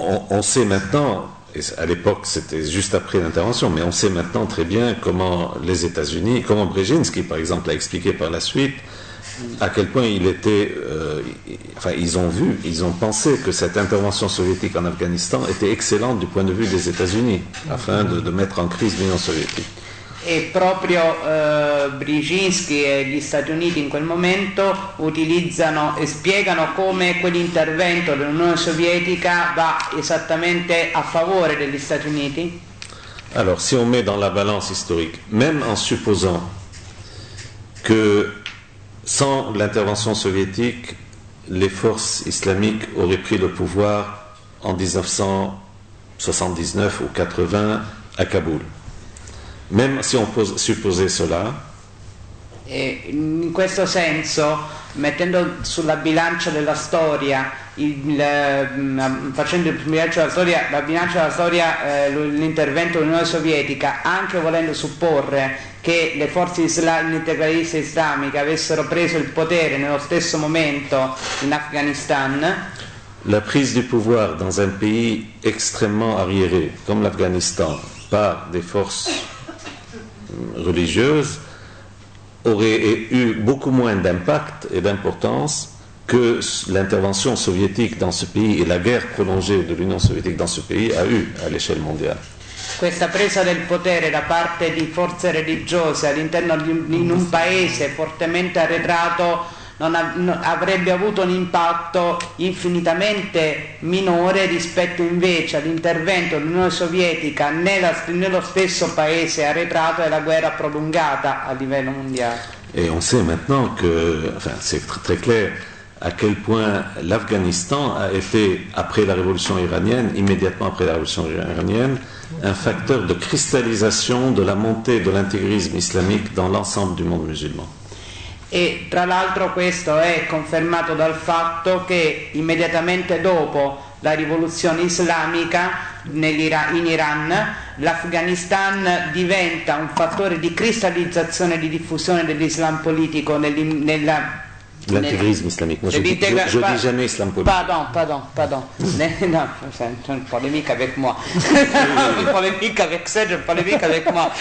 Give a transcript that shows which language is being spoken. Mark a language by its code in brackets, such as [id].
[fr] On sait maintenant, à l'époque c'était juste après l'intervention, mais on sait maintenant très bien comment les États-Unis, comment Brzezinski par exemple l'a expliqué par la suite, à quel point il était, ils ont pensé que cette intervention soviétique en Afghanistan était excellente du point de vue des États-Unis, afin de mettre en crise l'Union soviétique. [it] Et proprio Brzezinski e gli Stati Uniti in quel momento utilizzano e spiegano come quell'intervento dell'Unione Sovietica va esattamente a favore degli Stati Uniti. [fr] Alors, si on met dans la balance historique, même en supposant que sans l'intervention soviétique, les forces islamiques auraient pris le pouvoir en 1979 ou 80 à Kaboul. Même si on supposait cela. [it] Et in questo senso, mettendo sulla bilancia della storia, l'intervento dell'Unione Sovietica, anche volendo supporre che le forze integraliste islamiche avessero preso il potere nello stesso momento in Afghanistan. [fr] La prise du pouvoir dans un pays extrêmement arriéré comme l'Afghanistan par des forces religieuses aurait eu beaucoup moins d'impact et d'importance que l'intervention soviétique dans ce pays et la guerre prolongée de l'Union soviétique dans ce pays a eu à l'échelle mondiale. [it] Questa presa del potere da parte di forze religiose all'interno di un paese fortemente arretrato avrebbe avuto un impatto infinitamente minore rispetto invece all'intervento dell'Unione Sovietica nello stesso paese arretrato e la guerra prolungata a livello mondiale. [fr] Et on sait maintenant que, c'est très clair à quel point l'Afghanistan a été, après la révolution iranienne, immédiatement après la révolution iranienne, un facteur de cristallisation de la montée de l'intégrisme islamique dans l'ensemble du monde musulman. [it] E tra l'altro questo è confermato dal fatto che immediatamente dopo la rivoluzione islamica in Iran, l'Afghanistan diventa un fattore di cristallizzazione e di diffusione dell'Islam politico nella [fr] l'intégrisme islamique. Moi, je dis jamais islam politique. Pardon. Non, c'est une polémique avec moi. C'est une polémique avec Serge, une polémique avec moi.